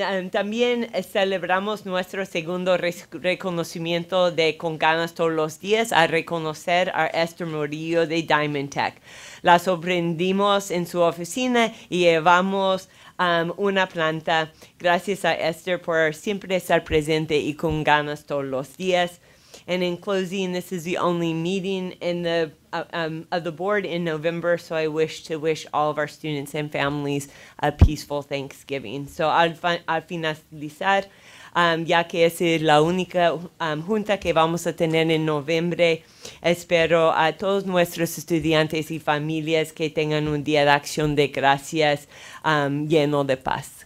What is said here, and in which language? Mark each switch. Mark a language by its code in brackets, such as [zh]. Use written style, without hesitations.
[es] También celebramos nuestro segundo reconocimiento de Con Ganas Todos los Días al reconocer a Esther Murillo de Diamond Tech. La sorprendimos en su oficina y llevamos una planta. Gracias a Esther por siempre estar presente y con ganas todos los días. [en] And in closing, this is the only meeting in the of the board in November, so I wish to wish all of our students and families a peaceful Thanksgiving. [es] So al finalizar, ya que es la única junta que vamos a tener en noviembre, espero a todos nuestros estudiantes y familias que tengan un día de acción de gracias lleno de paz.